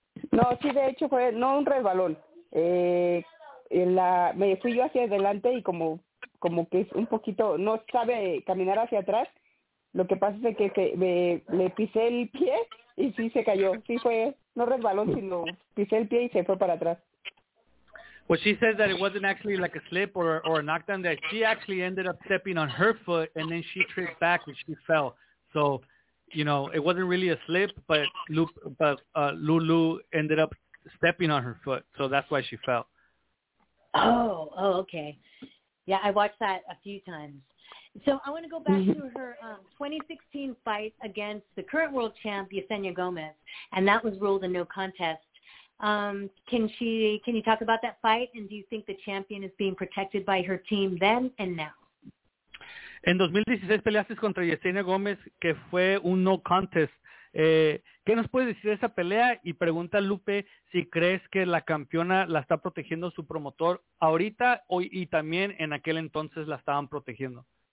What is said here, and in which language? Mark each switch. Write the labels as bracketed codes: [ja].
[es] No, sí, de hecho fue, no un resbalón, me fui yo hacia adelante y como que es un poquito, no sabe caminar hacia atrás, lo que pasa es que le pisé el pie y sí se cayó, sí fue, no resbalón, sino pisé el pie y se fue para atrás. [en] Well, she says that it wasn't actually like a slip or a knockdown, that she actually ended up stepping on her foot and then she tripped back and she fell, so... You know, it wasn't really a slip, but Lulu ended up stepping on her foot, so that's why she fell. Oh, okay. Yeah, I watched that a few times. So I want to go back to her 2016 fight against the current world champ, Yesenia Gomez, and that was ruled a no contest. Can you talk about that fight, and do you think the champion is being protected by her team then and now? [es] En 2016 peleaste contra Yesenia Gómez, que fue un no contest. ¿Qué nos puedes decir de esa pelea? Y pregunta Lupe si crees que la campeona la está protegiendo su promotor ahorita hoy, y también en aquel entonces la estaban protegiendo.